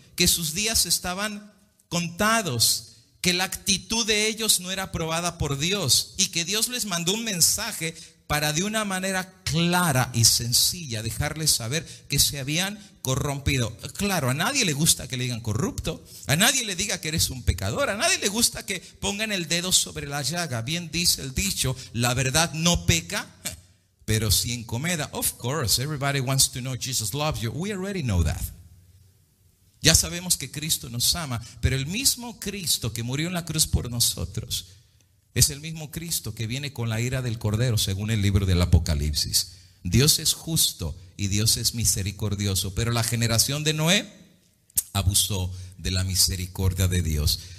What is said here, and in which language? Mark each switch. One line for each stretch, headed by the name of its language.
Spanish: Que sus días estaban contados, que la actitud de ellos no era aprobada por Dios, y que Dios les mandó un mensaje para de una manera clara y sencilla dejarles saber que se habían corrompido. Claro, a nadie le gusta que le digan corrupto, a nadie le diga que eres un pecador, a nadie le gusta que pongan el dedo sobre la llaga. Bien dice el dicho, la verdad no peca, pero sí encomeda.
English: Of course, everybody wants to know Jesus loves you. We already know that.
Spanish: Ya sabemos que Cristo nos ama, pero el mismo Cristo que murió en la cruz por nosotros es el mismo Cristo que viene con la ira del Cordero, según el libro del Apocalipsis. Dios es justo y Dios es misericordioso, pero la generación de Noé abusó de la misericordia de Dios.